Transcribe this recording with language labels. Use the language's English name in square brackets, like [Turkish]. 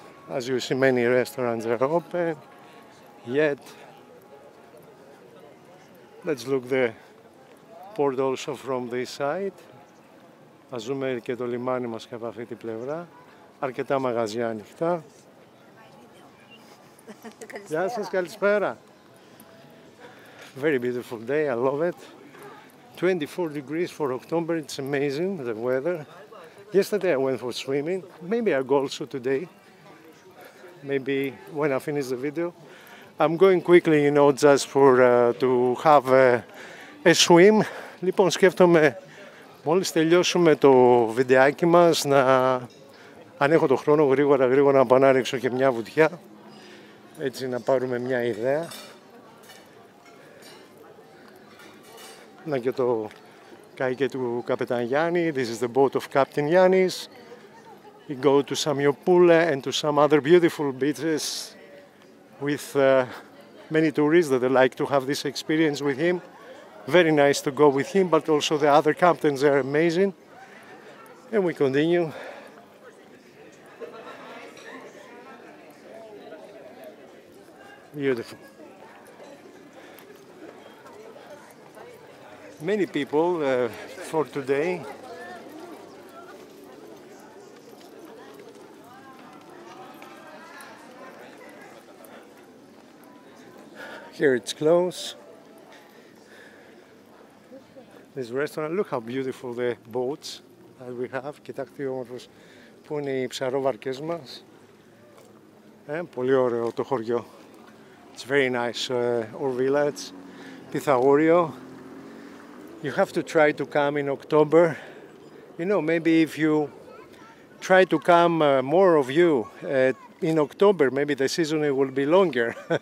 [English] As you see, many restaurants are open, yet let's look the port also from this side. [Greek] Ας δούμε και το λιμάνι μας και από αυτή την πλευρά. Αρκετά μαγαζιά ανοιχτά. Γεια σας, καλησπέρα. [English] very beautiful day, I love it. 24 degrees for October, it's amazing, the weather. Yesterday I went for swimming, maybe I'll go also today. Maybe when I finish the video. I'm going quickly, you know, just for to have a swim. [Greek] Λοιπόν, σκέφτομαι μόλις τελειώσουμε το βιντεάκι μας να... Αν έχω το χρόνο, γρήγορα να πανάριξω και μια βουτιά. Έτσι να πάρουμε μια ιδέα. Να και το καϊκέ του Καπετάν Γιάννη. [English] This is the boat of Captain Yannis. We go to Samiopoule and to some other beautiful beaches with many tourists that they like to have this experience with him. Very nice to go with him, but also the other captains are amazing. And we continue. Beautiful. Many people for today. Here it's close. This restaurant, look how beautiful the boats that we have. [Greek] Κοιτάξτε όμορφος που είναι οι ψαροβαρκές μας. Πολύ ωραίο το χωριό. [English] It's very nice, our village, Pythagoreou. You have to try to come in October. You know, maybe if you try to come, more of you in October, maybe the season will be longer.